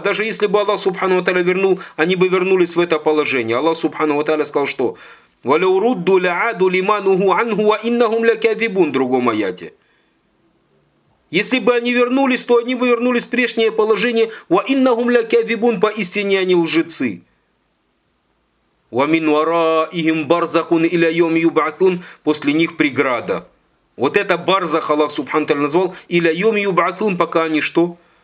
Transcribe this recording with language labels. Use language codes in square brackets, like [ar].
[ru] Даже если бы Аллах Субхану ва тааля вернул, они бы вернулись в это положение. Аллах Субхану ва тааля сказал, что «Валяу рудду ля аду лиманугу ангу ва иннахум ля кавибун» в другом аяте. Если бы они вернулись, то они бы вернулись в прежнее положение «Ва иннахум ля кавибун» поистине они лжецы. [ar] وَمِنْ وَرَائِهِمْ بَرْزَخٌ إِلَى يَوْمِ يُبْعَثُونَ [ru] После них преграда. Вот это барзах Аллах Субхану Тааля назвал. [ar] إِلَى يَوْمِ يُبْعَثُونَ [ru] Пока они что?